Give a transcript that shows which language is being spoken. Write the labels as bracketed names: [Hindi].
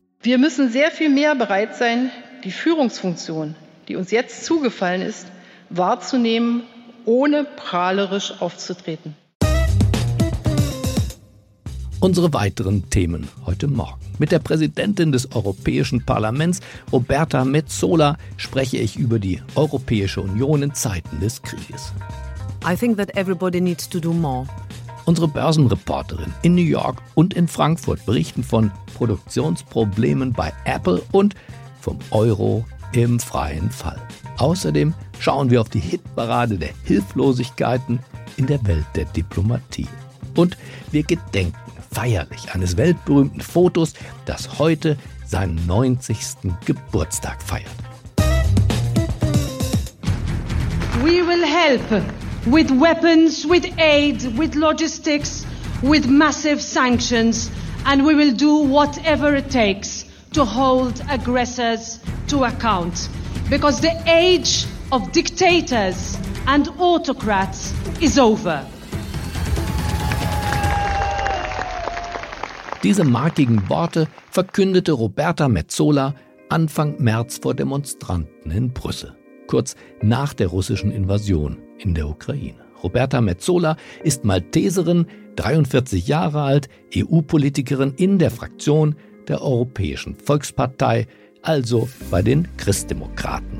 [German] Wir müssen sehr viel mehr bereit sein, die Führungsfunktion, die uns jetzt zugefallen ist, wahrzunehmen, ohne prahlerisch aufzutreten. Unsere weiteren Themen heute Morgen. Mit der Präsidentin des Europäischen Parlaments, Roberta Metsola, spreche ich über die Europäische Union in Zeiten des Krieges. [English] I think that everybody needs to do more. [German] Unsere Börsenreporterin in New York und in Frankfurt berichten von Produktionsproblemen bei Apple und vom Euro im freien Fall. Außerdem schauen wir auf die Hitparade der Hilflosigkeiten in der Welt der Diplomatie. Und wir gedenken feierlich eines weltberühmten Fotos, das heute seinen 90. Geburtstag feiert. [English] We will help with weapons, with aid, with logistics, with massive sanctions, and we will do whatever it takes to hold aggressors to account. Because the age of dictators and autocrats is over. [German] Diese markigen Worte verkündete Roberta Metsola Anfang März vor Demonstranten in Brüssel, kurz nach der russischen Invasion in der Ukraine. Roberta Metsola ist Malteserin, 43 Jahre alt, EU-Politikerin in der Fraktion der Europäischen Volkspartei, also bei den Christdemokraten.